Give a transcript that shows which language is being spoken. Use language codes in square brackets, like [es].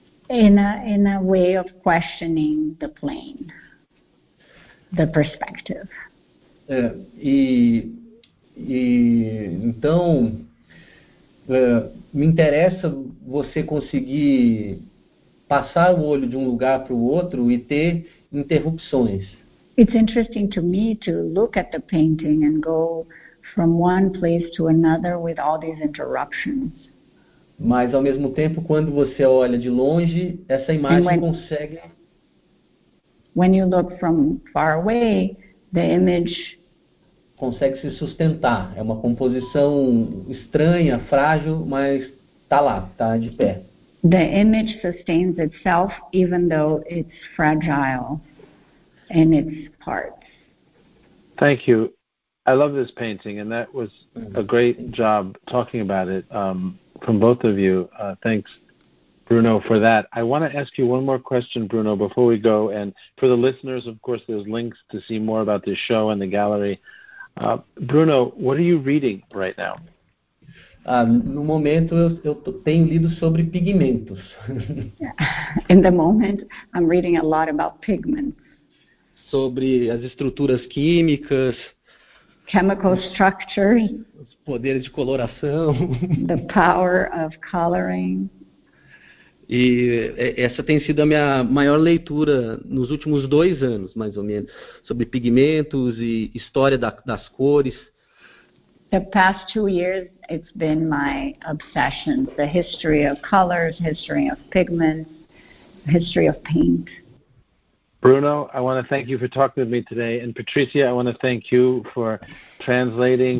[en] In a way of questioning the plane. The perspective. [pt] Então, me interessa você conseguir passar o olho de um lugar para o outro e ter interrupções. [en] It's interesting to me to look at the painting and go from one place to another with all these interruptions. [pt] Mas, ao mesmo tempo, quando você olha de longe, essa imagem consegue... [en] When you look from far away, the image [pt] consegue se sustentar. É uma composição estranha, frágil, mas está lá, está de pé. [en] The image sustains itself even though it's fragile in its parts. Thank you. I love this painting, and that was a great job talking about it from both of you. Thanks, Bruno, for that. I want to ask you one more question, Bruno, before we go. And for the listeners, of course, there's links to see more about this show and the gallery. Bruno, what are you reading right now? [pt] No momento, eu tenho lido sobre pigmentos. [en] In the moment, I'm reading a lot about pigments. [pt] Sobre as estruturas químicas. [en] Chemical structures. [pt] Os poderes de coloração. [en] The power of coloring. [pt] E essa tem sido a minha maior leitura nos últimos 2 anos, mais ou menos, sobre pigmentos e história das cores. [en] The past 2 years, it's been my obsession, the history of colors, history of pigments, history of paint. Bruno, I want to thank you for talking with me today. And Patricia, I want to thank you for translating.